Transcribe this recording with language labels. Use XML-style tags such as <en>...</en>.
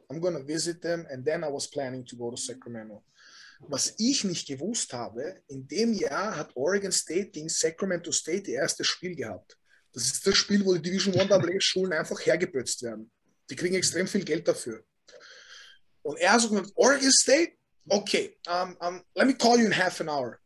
<en>I'm gonna visit them and then I was planning to go to Sacramento.</en> <de>Was ich nicht gewusst habe, in dem Jahr hat Oregon State gegen Sacramento State ihr erstes Spiel gehabt. Das ist das Spiel, wo die Division One AA Schulen einfach hergeputzt werden. Die kriegen extrem viel Geld dafür. Und er so gesagt: Oregon State?</de> <en>Okay, let me call you in half an hour.</en>